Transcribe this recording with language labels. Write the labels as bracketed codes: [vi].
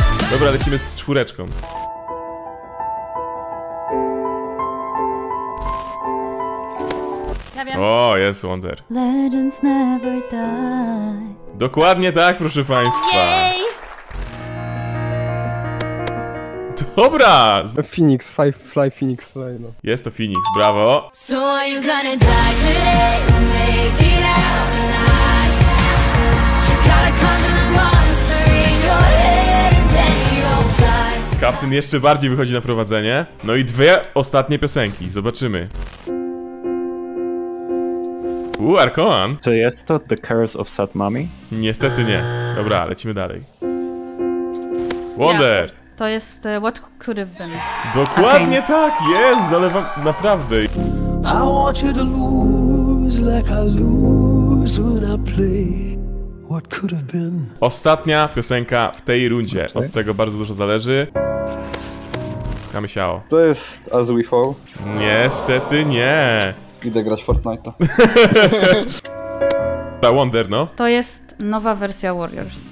[pl] Dobra, lecimy z czwóreczką. O, jest Wonder. Legends never die. Dokładnie tak, proszę państwa. Yay! Dobra! [en] Phoenix, fly, Phoenix, fly, no. [pl] Jest to Phoenix, brawo. [en] So are you gonna die today? Make it out alive. You gotta conquer the monster in your head and then you'll fly. [pl] Kapitan jeszcze bardziej wychodzi na prowadzenie. No i dwie ostatnie piosenki, zobaczymy. Arkoan. Czy jest to The Curse of Sad Mummy? Niestety nie. Dobra, lecimy dalej. Wonder. Yeah. To jest What Could Have Been. Dokładnie tak, jest, ale wam naprawdę. [en] I want you to lose like I lose when I play. What could have been. [pl] Ostatnia piosenka w tej rundzie. Okay. Od tego bardzo dużo zależy. Słuchamy Shao. To jest As We Fall. Niestety nie. Idę grać Fortnite'a. Ta Wonder, no? To jest nowa wersja Warriors.